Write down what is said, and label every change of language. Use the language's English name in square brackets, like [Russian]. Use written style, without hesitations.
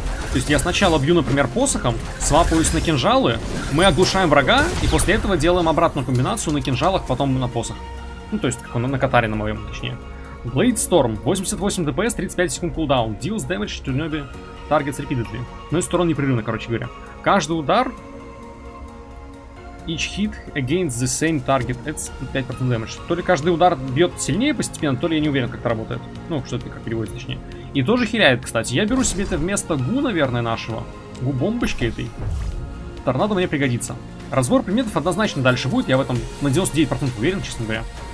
[Russian] То есть я сначала бью, например, посохом, свапаюсь на кинжалы, мы оглушаем врага, и после этого делаем обратную комбинацию на кинжалах, потом на посох. Ну, то есть, как он на катаре на моем, точнее. [English] Blade Storm. [Russian] 88 DPS, 35 секунд кулдаун. [English] Deals damage to nearby targets repeatedly. [Russian] Ну и сторон непрерывно, короче говоря. Каждый удар... [English] Each hit against the same target adds 5% damage. [Russian] То ли каждый удар бьет сильнее постепенно, то ли я не уверен, как это работает. Ну, что это как переводит, точнее. И тоже хиляет, кстати. Я беру себе это вместо гу, наверное, нашего. Гу-бомбочки этой. Торнадо мне пригодится. Разбор предметов однозначно дальше будет. Я в этом на 99% уверен, честно говоря.